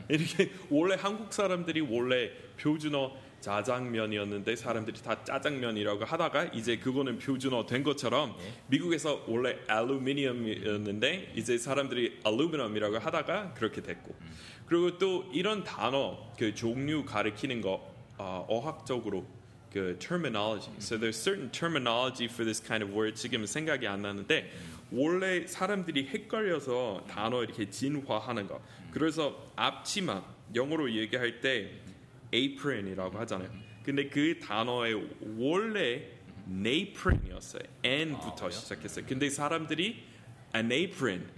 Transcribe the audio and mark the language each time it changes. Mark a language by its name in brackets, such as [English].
[Korean] 이렇게 원래 한국 사람들이 원래 표준어 짜장면이었는데 사람들이 다 짜장면이라고 하다가 이제 그거는 표준어 된 것처럼 미국에서 원래 알루미늄이었는데 이제 사람들이 알루미늄이라고 하다가 그렇게 됐고 그리고 또 이런 단어 그 종류 가리키는 거 어학적으로 그 terminology. [English] So there's certain terminology for this kind of word. [Korean] 지금 생각이 안 나는데 원래 사람들이 헷갈려서 단어 이렇게 진화하는 거. 그래서 앞치마 영어로 얘기할 때 apron이라고 하잖아요. 근데 그 단어의 원래 napron이었어요. N부터 시작했어요. 근데 사람들이 an apron.